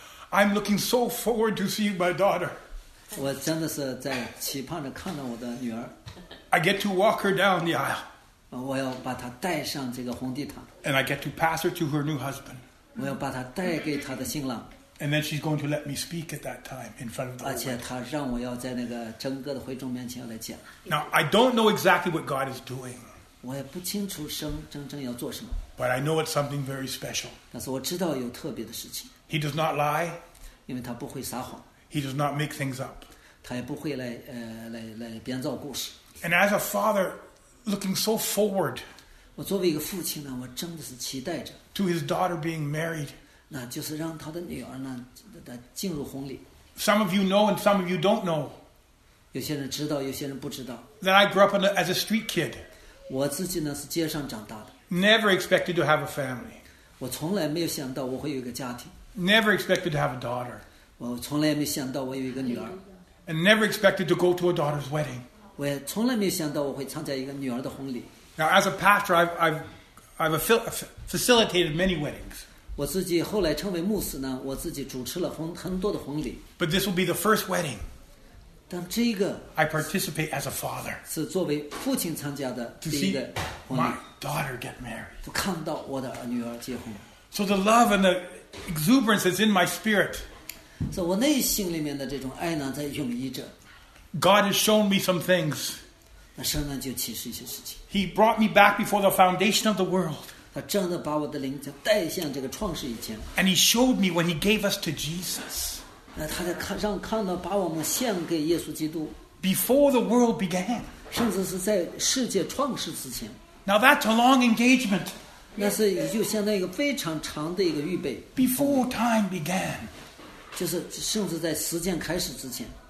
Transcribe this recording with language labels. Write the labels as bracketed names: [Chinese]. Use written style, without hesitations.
[English] I'm looking so forward to seeing my daughter. [Chinese] 我真的是在期盼着看到我的女儿。 [English] I get to walk her down the aisle. [Chinese] 我要把她带上这个红地毯。 [English] And I get to pass her to her new husband. [Chinese] 我要把她带给她的新郎。 [English] And then she's going to let me speak at that time in front of the. [Chinese] 而且他让我要在那个整个的会众面前来讲。 [English] Now I don't know exactly what God is doing. [Chinese] 我也不清楚神真正要做什么。 [English] But I know it's something very special. [Chinese] 但是我知道有特别的事情。 [English] He does not lie. [Chinese] 因为他不会撒谎。 [English] He does not make things up. [Chinese] 他也不会来编造故事。 [English] And as a father, looking so forward. [Chinese] 我作为一个父亲呢，我真的是期待着。 [English] To his daughter being married. [Chinese] 那就是让他的女儿呢，进入婚礼。 [English] Some of you know, and some of you don't know. [Chinese] 有些人知道，有些人不知道。 [English] That I grew up as a street kid. [Chinese] 我自己呢是街上长大的。 [English] Never expected to have a family. [Chinese] 我从来没有想到我会有一个家庭。 [English] Never expected to have a daughter. [Chinese] 我从来没想到我有一个女儿。 [English] And never expected to go to a daughter's wedding. [Chinese] 我也从来没有想到我会参加一个女儿的婚礼。 [English] Now, as a pastor, I've facilitated many weddings. [Chinese] 我自己后来成为牧师呢，我自己主持了很多的婚礼。 [English] But this will be the first wedding. [Chinese] 但这个 [English] I participate as a father. [Chinese] 是作为父亲参加的第一个婚礼 [English] my daughter get married. [Chinese] 看到我的女儿结婚 [English] So the love and the exuberance is in my spirit. [Chinese] 所以我内心里面的这种爱呢，在涌溢着 [English] God has shown me some things. [Chinese] 那神呢，就启示一些事情 [English] He brought me back before the foundation of the world. [Chinese] 他真的把我的灵就带向这个创世以前 [English] And he showed me when he gave us to Jesus. [Chinese] 他在看让看到把我们献给耶稣基督 [English] Before the world began [Chinese] 甚至是在世界创世之前 [English] Now that's a long engagement [Chinese] 那是就相当于一个非常长的一个预备 [English] Before time began [Chinese] 就是甚至在时间开始之前